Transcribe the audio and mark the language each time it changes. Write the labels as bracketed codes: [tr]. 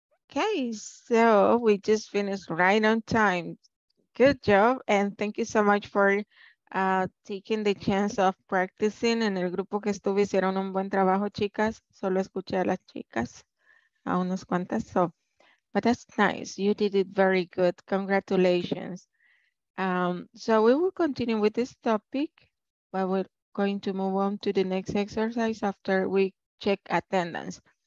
[en] Okay, so we just finished right on time. Good job. And thank you so much for taking the chance of practicing. [es] En el grupo que estuve hicieron un buen trabajo, chicas. Solo escuché a las chicas, a unos cuantas. [en] So, but that's nice. You did it very good. Congratulations. So we will continue with this topic, but we're going to move on to the next exercise after we check attendance.